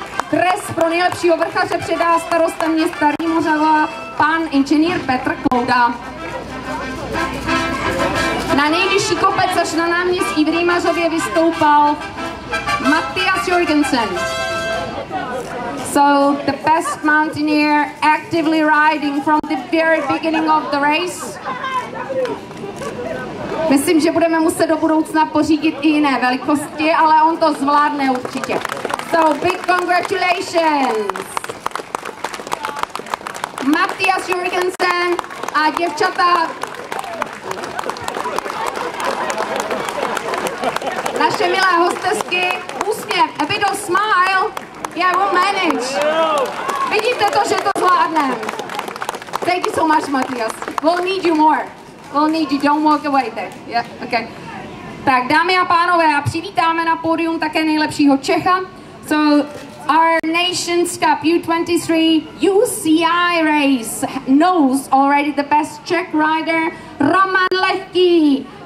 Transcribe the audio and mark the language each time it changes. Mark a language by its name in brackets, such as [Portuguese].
[Czech] Dres pro nejlepšího vrchaře předá starosta města Rýmařova, pan inženýr Petr Klouda. Na nejvyšší kopec až na náměstí v Rýmařově vystoupal Mathias Jorgensen. [English] So the best mountaineer actively riding from the very beginning of the race. [Czech] Myslím, že budeme muset do budoucna pořídit i jiné velikosti, ale on to zvládne určitě. [English] So big congratulations. [Czech] Mathias Jorgensen a děvčata. Naše milé hostesky, úsměv, [English] a bit of smile, yeah, we'll manage. [Czech] Vidíte to, že to zvládnem. [English] Thank you so much, Matias. We'll need you more. We'll need you, don't walk away there. Yeah, okay. [Czech] Tak, dámy a pánové, a přivítáme na pódium také nejlepšího Čecha. [English] So, our Nations Cup U23 UCI race knows already the best Czech rider, Roman Lehký.